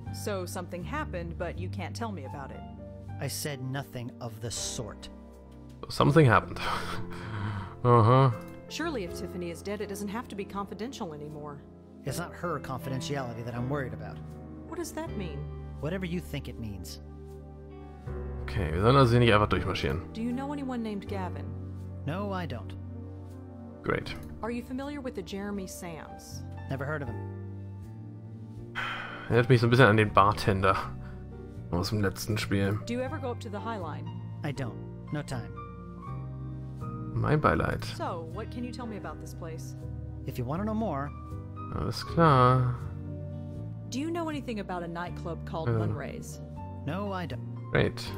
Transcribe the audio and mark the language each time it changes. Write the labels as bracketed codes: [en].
[en] So something happened, but you can't tell me about it. I said nothing of the sort. Something happened. Uh-huh. Surely if Tiffany is dead, it doesn't have to be confidential anymore. It's not her confidentiality that I'm worried about. What does that mean? Whatever you think it means. [de] Okay, wir sollen also hier nicht einfach durchmarschieren. [en] Do you know anyone named Gavin? No, I don't. Great. Are you familiar with the Jeremy Sams? Never heard of him. [de] Erinnert mich so ein bisschen an den Bartender aus dem letzten Spiel. [en] Do you ever go up to the Highline? I don't. No time. [de] Mein Beileid. [en] So, what can you tell me about this place? If you want to know more. [de] Alles klar. [en] Do you know anything about a nightclub called Munray's? No, I don't. Great.